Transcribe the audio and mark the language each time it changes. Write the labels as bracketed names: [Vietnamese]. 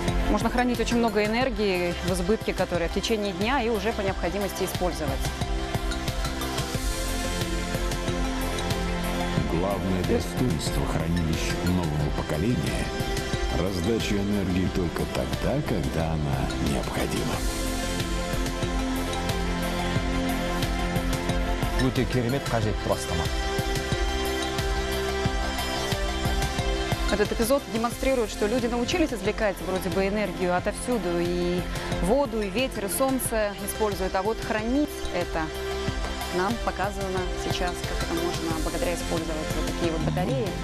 [Russian] Можно хранить очень много энергии в избытке, которая в течение дня и уже по необходимости использовать. Главное достоинство хранилищ нового поколения – раздача энергии только тогда, когда она необходима. [Kazakh] Өте керемет, қажетті бастама. [Russian] Этот эпизод демонстрирует, что люди научились извлекать вроде бы энергию отовсюду. И воду, и ветер, и солнце используют. А вот хранить это нам показано сейчас, как это можно благодаря использовать вот такие вот батареи.